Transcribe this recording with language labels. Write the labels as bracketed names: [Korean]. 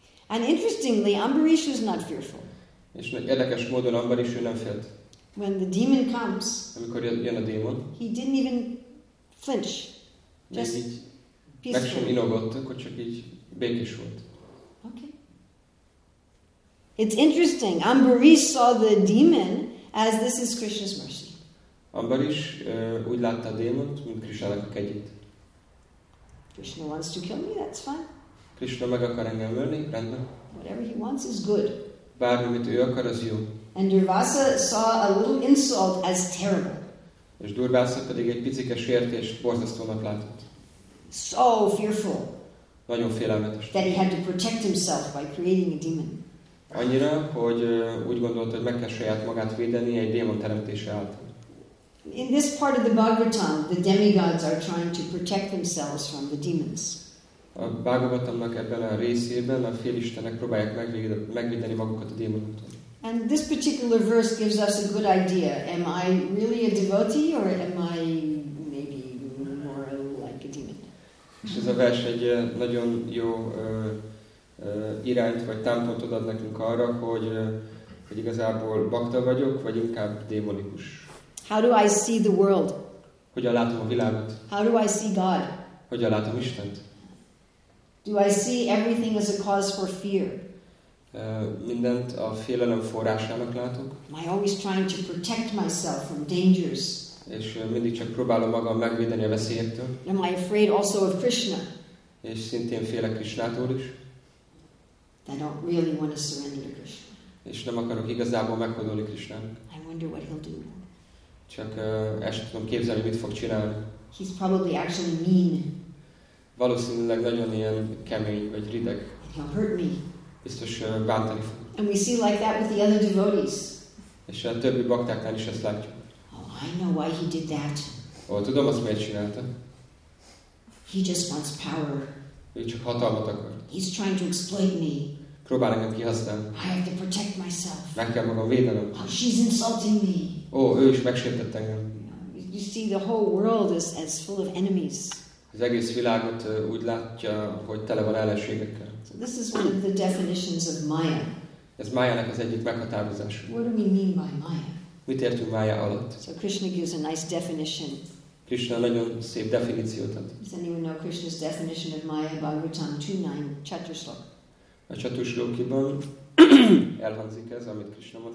[English] And interestingly, Ambarish was not fearful. [Hungarian] És érdekes módon Ambarish ő nem félt. [English] When the demon comes. [Hungarian] Amikor jön a démon. [English] He didn't even flinch. Just [Hungarian] így [English] peaceful. [Hungarian] Meg sem inogott, akkor csak így békés volt. [English] Okay. It's interesting. Ambarish saw the demon as this is Krishna's mercy. [Hungarian] Ambarish úgy látta a démont, mint Krishnának a kegyét. [English] Krishna wants to kill me, that's fine. [Hungarian] Krishna meg akar engem ölni, rendben. [English] Whatever he wants is good. [Hungarian] Bármi, mit ő akar, az jó. [English] And Durvasa saw a little insult as terrible. [Hungarian] És Durvasa pedig egy picike sértést borzasztónak látott. [English] So fearful. [Hungarian] Nagyon félelmetes. [English] That he had to protect himself by creating a demon. [Hungarian] Annyira, hogy úgy gondolta, hogy meg kell saját magát védeni egy démon teremtése által. [English] In this part of the Bhagavatam, the demigods are trying to protect themselves from the demons. [Hungarian] A Bhagavatamnak ebben a részében a félistenek próbálják megvédeni magukat a démonoktól. [English] And this particular verse gives us a good idea. Am I really a devotee or am I maybe more like a demon? [Hungarian] És ez a vers egy nagyon jó irányt vagy támpontot ad nekünk arra, hogy, hogy igazából bakta vagyok, vagy inkább démonikus. [English] How do I see the world? [Hungarian] Hogyan látom a világot? [English] How do I see God? [Hungarian] Hogyan látom Istent? [English] Do I see everything as a cause for fear? [Hungarian] Mindent a félelem forrásának látok. [English] Am I always trying to protect myself from dangers? [Hungarian] És mindig csak próbálom magam megvédeni a veszélyektől. [English] Am I afraid also of Krishna? [Hungarian] És szintén félek Krishnától is. [English] I don't really want to surrender to Krishna. [Hungarian] És nem akarok igazából meghódolni Krishnának. [English] I wonder what he'll do. [Hungarian] Csak el sem tudom képzelni, mit fog csinálni. [English] He's probably actually mean. [Hungarian] Valószínűleg nagyon ilyen kemény vagy rideg. [English] He'll hurt me. [Hungarian] Biztos bántani fog. [English] And we see like that with the other devotees. [Hungarian] És a többi baktáknál is ezt látjuk. [English] Oh, I know why he did that. [Hungarian] Tudom azt, miért csinálta. [English] He just wants power. [Hungarian] Ő csak hatalmat akar. [English] He's trying to exploit me. [Hungarian] Próbál engem kihasználni. [English] I have to protect myself. [Hungarian] Meg kell magam védenem. [English] Oh, she's insulting me. [Hungarian] Ő is megsértett engem. [English] You see, the whole world is as full of enemies. [Hungarian] Az egész világot úgy látja, hogy tele van ellenségekkel. [English] So this is one of the definitions of Maya. [Hungarian] Ez Mayának az egyik meghatározása. [English] What do we mean by Maya? [Hungarian] Mit értünk Maya alatt? [English] So Krishna gives a nice definition. [Hungarian] Krishna nagyon szép definíciót ad. [English] Does anyone know Krishna's definition of Maya? Bhagavatam 2.9, Chatuslok. [Hungarian] A Chatuslokiban elhangzik ez, amit Krishna mond.